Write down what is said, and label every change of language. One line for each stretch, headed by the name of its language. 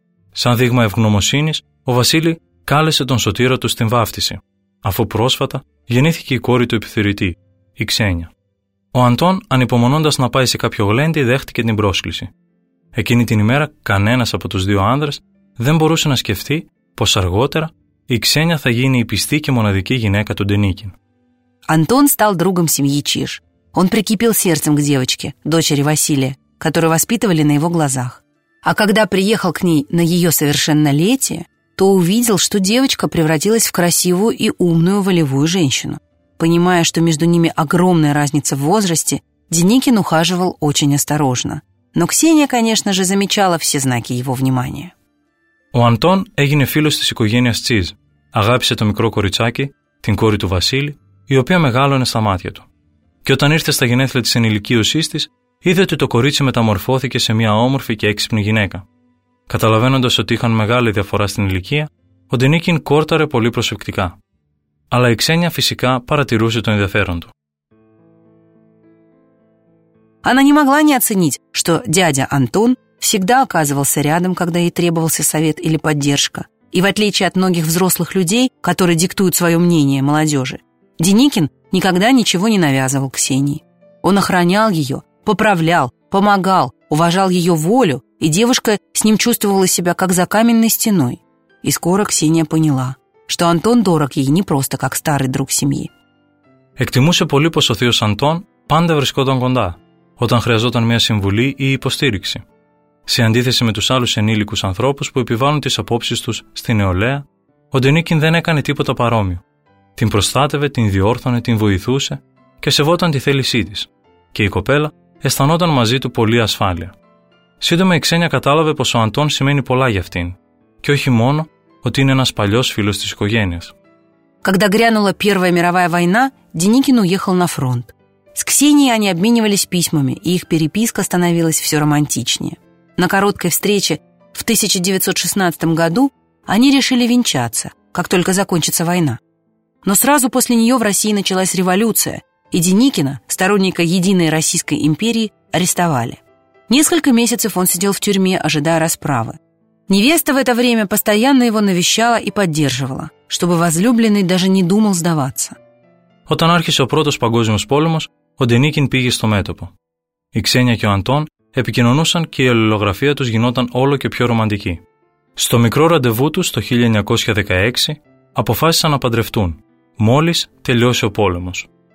Greek: Σαν δείγμα ευγνωμοσύνης, ο Βασίλη κάλεσε τον σωτήρα του στην βάφτιση, αφού πρόσφατα γεννήθηκε η κόρη του επιθεωρητή, η Ξένια. Ο Αντών, ανυπομονώντας να πάει σε κάποιο γλέντι, δέχτηκε την πρόσκληση. Εκείνη την ημέρα, κανένας από τους δύο άνδρες δεν μπορούσε να σκεφτεί πως αργότερα η Ξένια θα γίνει η πιστή και μοναδική γυναίκα του Ντενίκιν.
Russian: Антон стал другом семьи Чиж. Он прикипел сердцем к девочке, дочери Василия, которую воспитывали на его глазах. А когда приехал к ней на ее совершеннолетие, то увидел, что девочка превратилась в красивую и умную волевую женщину. Понимая, что между ними огромная разница в возрасте, Деникин ухаживал очень осторожно. Но Ксения, конечно же, замечала все знаки его внимания.
Greek: Ο Αντών έγινε φίλος της οικογένειας Τσίζ. Αγάπησε το μικρό κοριτσάκι, την κόρη του Βασίλη, η οποία μεγάλωνε στα μάτια του. Και όταν ήρθε στα γενέθλια της ενηλικίωσής της, είδε ότι το κορίτσι μεταμορφώθηκε σε μια όμορφη και έξυπνη γυναίκα. Καταλαβαίνοντας ότι είχαν μεγάλη διαφορά στην ηλικία, ο Ντενίκιν κόρταρε πολύ προσεκτικά. Αλλά η Ξένια φυσικά παρατηρούσε το ενδιαφέρον του.
Russian: Она не могла не оценить, что дядя Антон всегда оказывался рядом, когда ей требовался совет или поддержка. И в отличие от многих взрослых людей, которые диктуют свое мнение молодежи, Деникин никогда ничего не навязывал Ксении. Он охранял ее, поправлял, помогал, уважал ее волю, и девушка с ним чувствовала себя как за каменной стеной. И скоро Ксения поняла, что Антон дорог ей не просто как старый друг семьи.
Greek: Εκτιμούσε πολύ πως ο θείος Αντών πάντα βρισκόταν κοντά, όταν χρειαζόταν μια συμβουλή ή υποστήριξη. Σε αντίθεση με τους άλλους ενήλικους ανθρώπους που επιβάλλουν τις απόψεις τους στη νεολαία, ο Ντενίκιν δεν έκανε τίποτα παρόμοιο. Την προστάτευε, την διόρθωνε, την βοηθούσε και σεβόταν τη θέλησή της. Και η κοπέλα αισθανόταν μαζί του πολύ ασφάλεια. Σύντομα η Ξένια κατάλαβε πως ο Αντών σημαίνει πολλά για αυτήν. Και όχι μόνο ότι είναι ένας παλιός φίλος της οικογένειας.
Russian: Когда грянула Первая мировая война, Деникин уехал на фронт. С Ксенией они обменивались письмами, и их переписка становилась все романтичнее. На короткой встрече в 1916 году они решили венчаться, как только закончится война. Но сразу после нее в России началась революция, и Деникина, сторонника Единой Российской империи, арестовали. Несколько месяцев он сидел в тюрьме, ожидая расправы. Невеста в это время постоянно его навещала и поддерживала, чтобы возлюбленный даже не думал сдаваться.
Greek: Όταν άρχισε ο πρώτος παγκόσμιος πόλεμος, ο Ντενίκιν πήγε στο μέτωπο. Η Ξένια και ο Αντών επικοινωνούσαν και η αλληλογραφία τους γινόταν όλο και πιο ρομαντική. Στο μικρό ραντεβού τους το 1916 αποφάσισαν να παντρευτούν, μόλις τελειώσει ο πόλεμος.